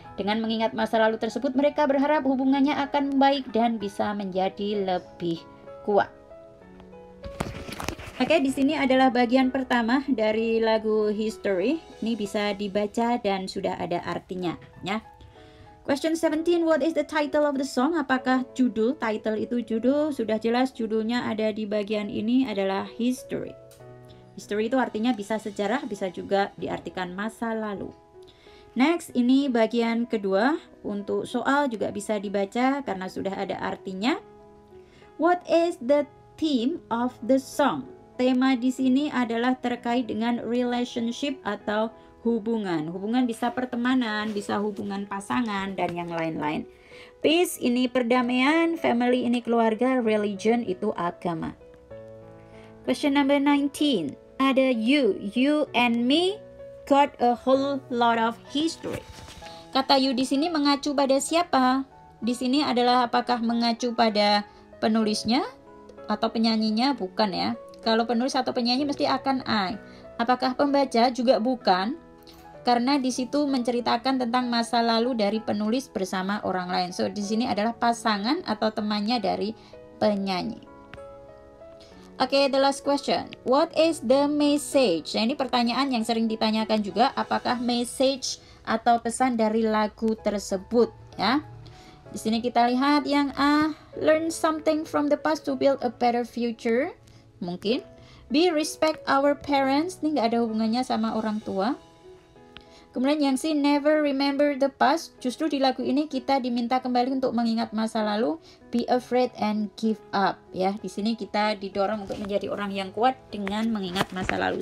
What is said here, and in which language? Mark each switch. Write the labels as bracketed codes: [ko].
[id] Dengan mengingat masa lalu tersebut, mereka berharap hubungannya akan baik dan bisa menjadi lebih kuat. Oke, di sini adalah bagian pertama dari lagu History. Ini bisa dibaca dan sudah ada artinya, ya. [en] Question 17, what is the title of the song? [id] Apakah judul, title itu judul? Sudah jelas judulnya ada di bagian ini adalah History. History itu artinya bisa sejarah, bisa juga diartikan masa lalu. Next, ini bagian kedua. Untuk soal juga bisa dibaca karena sudah ada artinya. [en] What is the theme of the song? [id] Tema di sini adalah terkait dengan relationship atau hubungan. Hubungan bisa pertemanan, bisa hubungan pasangan, dan yang lain-lain. Peace ini perdamaian, family ini keluarga, religion itu agama. [en] Question number 19. Ada you and me got a whole lot of history. [id] Kata you di sini mengacu pada siapa? Di sini adalah apakah mengacu pada penulisnya atau penyanyinya? Bukan ya. Kalau penulis atau penyanyi mesti akan I. Apakah pembaca? Juga bukan. Karena di situ menceritakan tentang masa lalu dari penulis bersama orang lain. So, di sini adalah pasangan atau temannya dari penyanyi. Oke, [en] the last question. What is the message? [id] Nah, ini pertanyaan yang sering ditanyakan juga. Apakah message atau pesan dari lagu tersebut? Ya. Di sini kita lihat yang A. [en] Learn something from the past to build a better future. Mungkin. B. Respect our parents. [id] Ini nggak ada hubungannya sama orang tua. Kemudian yang C. [en] Never remember the past. [id] Justru di lagu ini kita diminta kembali untuk mengingat masa lalu. [en] Be afraid and give up. [id] Ya, di sini kita didorong untuk menjadi orang yang kuat dengan mengingat masa lalu.